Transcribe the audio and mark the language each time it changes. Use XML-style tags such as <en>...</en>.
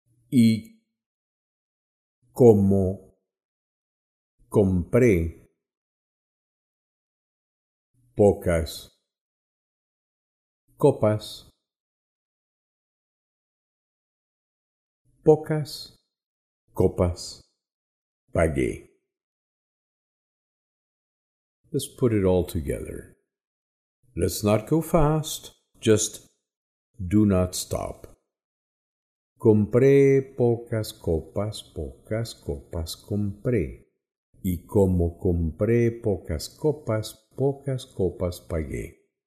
<es>Y como compré pocas copas, pocas copas pagué.</es> <en>Let's put it all together. Let's not go fast, just do not stop.</en> <es>Compré pocas copas compré. Y como compré pocas copas pagué.</es>